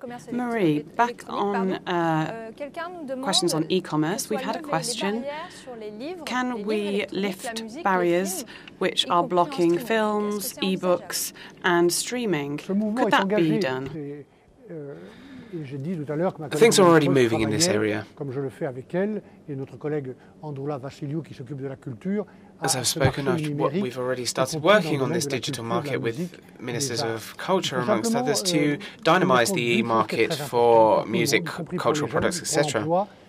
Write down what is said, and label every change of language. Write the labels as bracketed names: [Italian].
[English] Marie, back on questions on e-commerce, we've had a question. Can we lift barriers which are blocking films, e-books and streaming? Could that be done? Things are already moving in this area. [French] Comme je le fais avec elle et notre collègue Andrula Vassiliou qui s'occupe de la culture. [English] As I've spoken, we've already started working on this digital market with ministers of culture, amongst others, to dynamize the e-market for music, cultural products, etc.